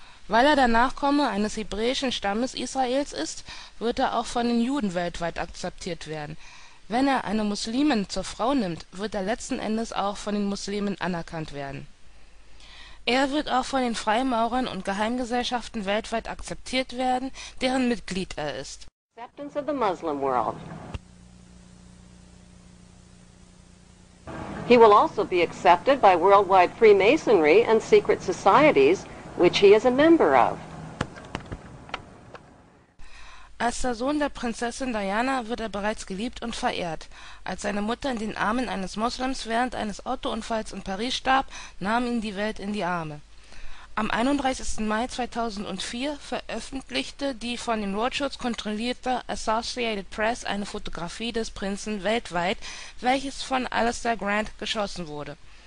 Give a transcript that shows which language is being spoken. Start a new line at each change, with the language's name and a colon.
German: Weil er der Nachkomme eines hebräischen Stammes Israels ist, wird er auch von den Juden weltweit akzeptiert werden. Wenn er eine Muslimin zur Frau nimmt, wird er letzten Endes auch von den Muslimen anerkannt werden. Er wird auch von den Freimaurern und Geheimgesellschaften weltweit akzeptiert werden, deren Mitglied er ist.
English: Acceptance of the Muslim world. He will also be accepted by worldwide Freemasonry and secret societies, which he is a member of.
German: Als der Sohn der Prinzessin Diana wird er bereits geliebt und verehrt. Als seine Mutter in den Armen eines Moslems während eines Autounfalls in Paris starb, nahm ihn die Welt in die Arme. Am 31. Mai 2004 veröffentlichte die von den Rothschilds kontrollierte Associated Press eine Fotografie des Prinzen weltweit, welches von Alastair Grant geschossen wurde.